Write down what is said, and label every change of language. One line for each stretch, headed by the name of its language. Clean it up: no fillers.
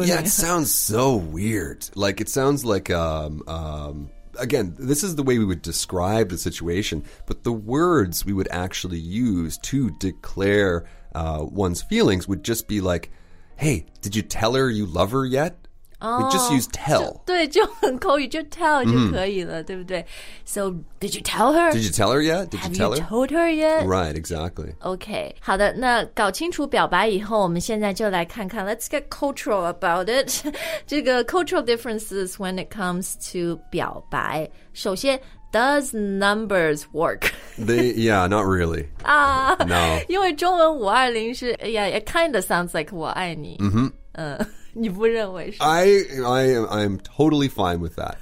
English: Yeah， it sounds so weird. Like it sounds like again， this is the way we would describe the situation， but the words we would actually use to declare one's feelings would just be like， hey， did you tell her you love her yet？ We just use tell.
Chinese: 对，就很口语，就 tell 就可以了，对不对？
English: So, did you tell her? Did you tell her yet? Did you tell her? Have you told her yet? Right, exactly.
Chinese: Okay, 好的，那搞清楚表白以后，我们现在就来看看
English: Let's get cultural about it.
Chinese: 这个
English: cultural differences when it comes to 表白。
Chinese: 首先
English: does numbers work? Yeah, not really. No.
Chinese: 因为中文520是
English: Yeah, it kind of sounds like
Chinese: 我爱你。 Mm-hmm. 你不认为是
English: I'm totally fine with that.